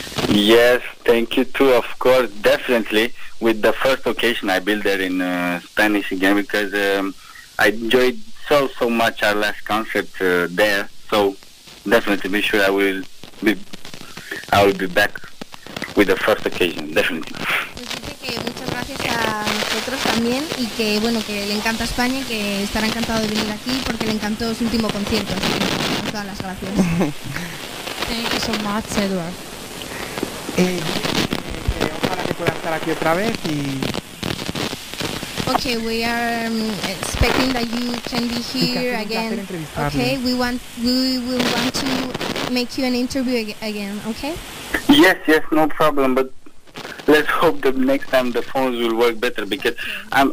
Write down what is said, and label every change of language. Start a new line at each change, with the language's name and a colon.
English: Yes, thank you too, of course, definitely. With the first occasion I built there in Spanish again, because I enjoyed so much our last concert there, so definitely be sure I will be back with the first occasion, definitely.
Spanish: Pues dice que muchas gracias a nosotros también y que bueno, que le encanta España y que estará encantado de venir aquí porque le encantó su último concierto, así que todas las gracias.
English: Thank you so much, Edward.
Spanish: Ojalá que pueda estar aquí otra vez y...
English: Okay, we are expecting that you can be here again. Okay, we will want to make you an interview again, okay? Yes, no problem, but let's hope that next time the phones will work better, because okay.